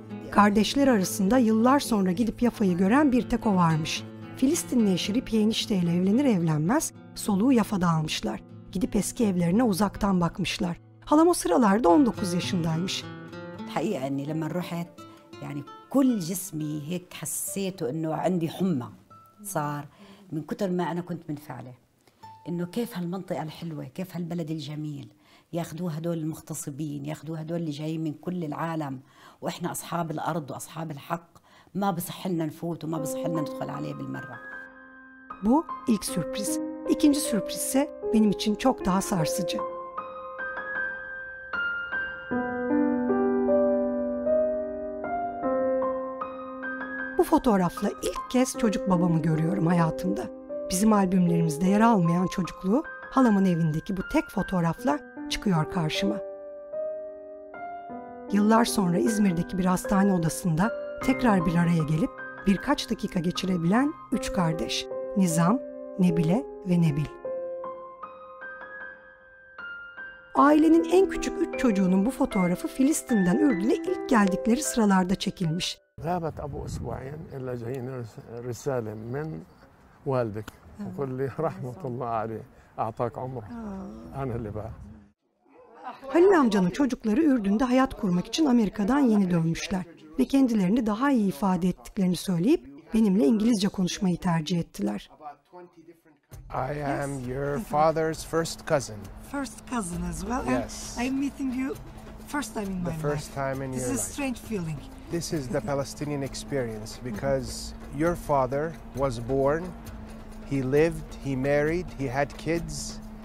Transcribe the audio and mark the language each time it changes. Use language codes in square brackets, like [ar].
[tr] Kardeşler arasında yıllar sonra gidip Yafa'yı gören bir tek o varmış. Filistinli eşirip yenişteyle evlenir evlenmez soluğu Yafa'da almışlar. Gidip eski evlerine uzaktan bakmışlar. Halam o sıralarda 19 yaşındaymış. [ar] Hakikaten لما رحت يعني كل جسمي هيك حسيت انه عندي حمى صار من كثر ما انا كنت منفعله. إنه كيف هالمنطقة الحلوة كيف هالبلد الجميل ياخدوها هدول المغتصبين ياخدوها هدول اللي جايين من كل العالم وإحنا أصحاب الأرض وأصحاب الحق ما بصح لنا نفوت وما بصح لنا ندخل عليه بالمرة. [tr] Bu ilk sürpriz. İkinci sürpriz ise benim için çok daha sarsıcı. Bu fotoğrafla ilk kez çocuk babamı görüyorum hayatımda. Bizim albümlerimizde yer almayan çocukluğu halamın evindeki bu tek fotoğrafla çıkıyor karşıma. Yıllar sonra İzmir'deki bir hastane odasında tekrar bir araya gelip birkaç dakika geçirebilen üç kardeş. Nizam, Nebile ve Nebil. Ailenin en küçük üç çocuğunun bu fotoğrafı Filistin'den Ürdün'e ilk geldikleri sıralarda çekilmiş. [ar] Gâbet abu usbu'in illa ceyni risâlem min valdik. قل لي رحمة الله عليه أعطاك عمره أنا اللي بقى [tr] Halil amcanın çocukları Ürdün'de hayat kurmak için Amerika'dan yeni dönmüşler ve kendilerini daha iyi ifade ettiklerini söyleyip benimle İngilizce konuşmayı tercih ettiler. [en] I am your father's first cousin. First cousin as well. And yes. I'm meeting you first time in my life. The first time in your life. This is a strange feeling. This is the Palestinian experience because your father was born, he lived, he married, he had kids.